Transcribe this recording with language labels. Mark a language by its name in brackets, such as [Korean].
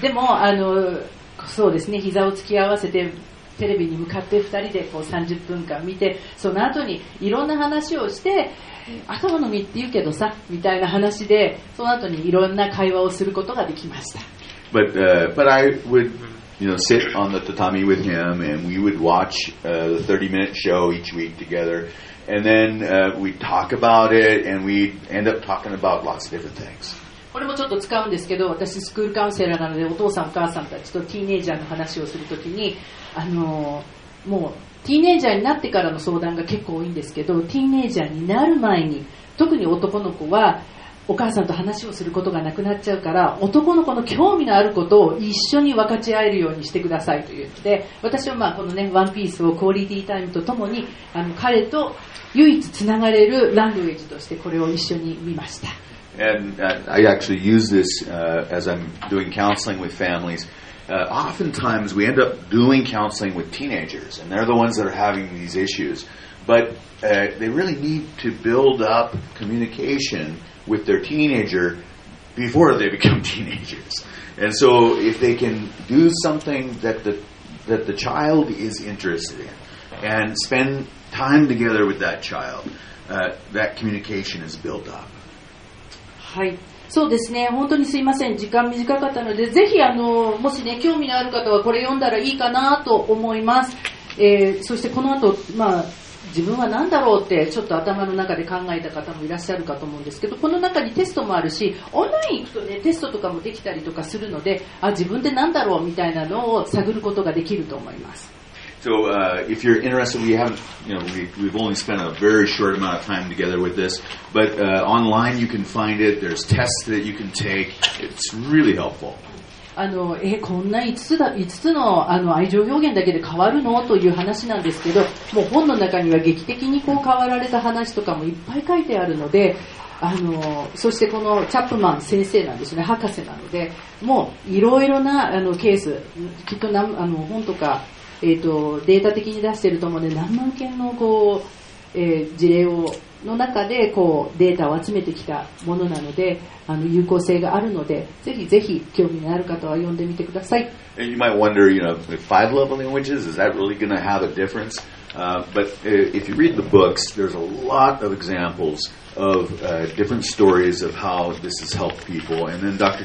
[Japanese] でもそうですね、膝を突き合わせてテレビに向かって2人でこう30分間見て、その後にいろんな話をして、頭の実って言うけどさみたいな話で、その後にいろんな会話をすることができました。 [English] But,、but I would you know, sit on the tatami with him and we would watch、the 30 minute show each week together and then、we'd talk about it and we'd end up talking about lots of different things。 [Japanese] これもちょっと使うんですけど、私スクールカウンセラーなので、お父さんお母さんたちとティーネイジャーの話をするときに、もうティーネイジャーになってからの相談が結構多いんですけど、ティーネイジャーになる前に、特に男の子はお母さんと話をすることがなくなっちゃうから、男の子の興味のあることを一緒に分かち合えるようにしてくださいと言って、私はまあこのねワンピースをクオリティタイムとともに、彼と唯一つながれるランゲージとしてこれを一緒に見ました。 [English] And I actually use this as I'm doing counseling with families. Oftentimes we end up doing counseling with teenagers, and they're the ones that are having these issues. But they really need to build up communication with their teenager before they become teenagers. And so if they can do something that the child is interested in and spend time together with that child, that communication is built up. [Japanese] はい、そうですね、本当にすいません、時間短かったので、ぜひもし、ね、興味のある方はこれ読んだらいいかなと思います、そしてこの後、自分は何だろうってちょっと頭の中で考えた方もいらっしゃるかと思うんですけど、この中にテストもあるし、オンライン行くと、ね、テストとかもできたりとかするので、あ、自分って何だろうみたいなのを探ることができると思います。 [English] So, if you're interested, we haven't, you know, we've only spent a very short amount of time together with this, but online you can find it. There's tests that you can take. It's really helpful. [Japanese] こんな5つの愛情表現だけで変わるのという話なんですけど、もう本の中には劇的にこう変わられた話とかもいっぱい書いてあるので。そしてこのチャップマン先生なんですね、博士なので、もういろいろなケース、きっと本とか、データ的に出していると思うので、何万件のこう、事例をの中でこうデータを集めてきたものなので、有効性があるので、ぜひぜひ興味のある方は読んでみてください。 [English] And you might wonder, you know, five love languages, is that really going to have a difference? But if you read the books, there's a lot of examples of different stories of how this has helped people. And then Dr.